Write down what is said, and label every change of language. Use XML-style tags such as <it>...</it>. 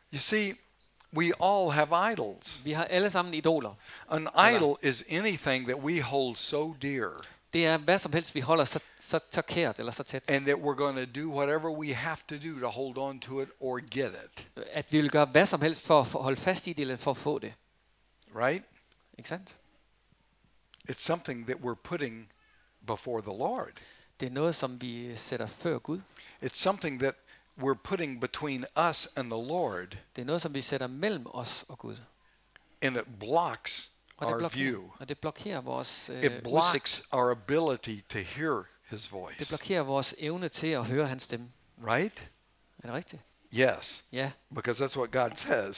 <en>You see, we all have idols.</en> <da>Vi har alle sammen idoler.</da> <en>An idol is anything that we hold so dear.</en> <da>Det er hvad som helst vi holder så kært eller så tæt.</da> <en>And that we're going to do whatever we have to do to hold on to it or get it.</en> <da>At vi vil gøre hvad som helst for at holde fast i det eller for at få det.</da> <en>Right?</en> <da>Ikke sant?</da> <en>It's something that we're putting before the Lord.</en> <da>Det er noget som vi sætter før Gud.</da> <en>It's something that we're putting between us and the Lord.</en> <da>Det er noget som vi sætter mellem os og Gud.</da> <en>And it blocks our view.</en> <da>Det blokerer vores</da> <en>it blocks our ability to hear his voice.</en> <da>Det blokerer vores evne til at høre hans stemme.</da> <en>Right?</en> <da>Er det rigtigt?</da> <en>Yes. Yeah. Because that's what God says.</en>